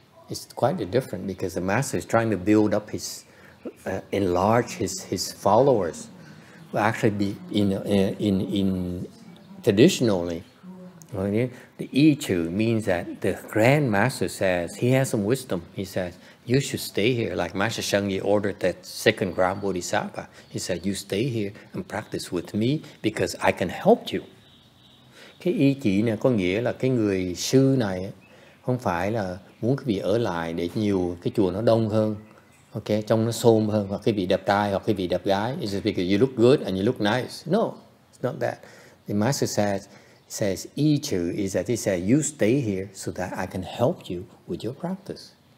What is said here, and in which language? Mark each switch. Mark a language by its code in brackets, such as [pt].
[en] It's quite different because the master is trying to build up his, enlarge his followers, will actually be in traditionally, the Yichu means that the Grand Master says, he has some wisdom. He says, you should stay here. Like Master Shengyi ordered that second Grand Bodhisattva. He said, you stay here and practice with me because I can help you. [vi] Cái ý chỉ này có nghĩa là cái người sư này không phải là muốn cái vị ở lại để nhiều cái chùa nó đông hơn. Okay, trong nó xôm hơn, hoặc cái vị đẹp trai, hoặc cái vị đẹp gái. [en] It's just because you look good and you look nice. No, it's not that. The master says Yichu is that he said, you stay here so that I can help you with your practice.